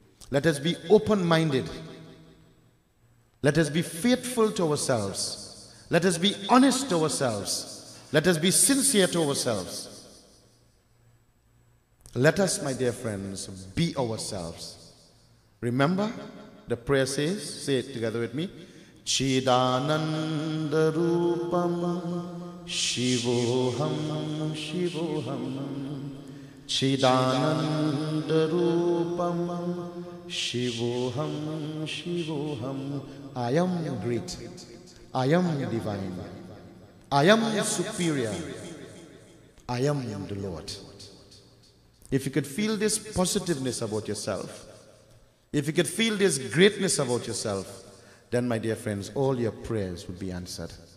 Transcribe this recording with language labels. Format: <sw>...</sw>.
<en>Let us be open-minded. Let us be faithful to ourselves. Let us be honest to ourselves. Let us be sincere to ourselves. Let us, my dear friends, be ourselves. Remember, the prayer says, say it together with me,</en> <sa>Chidananda Rupam Shivoham Shivoham,</sa> <en>Chidananda Rupam Shivoham Shivoham. I am great, I am divine, I am superior, I am the Lord. If you could feel this positiveness about yourself, if you could feel this greatness about yourself, then my dear friends, all your prayers will be answered.</en>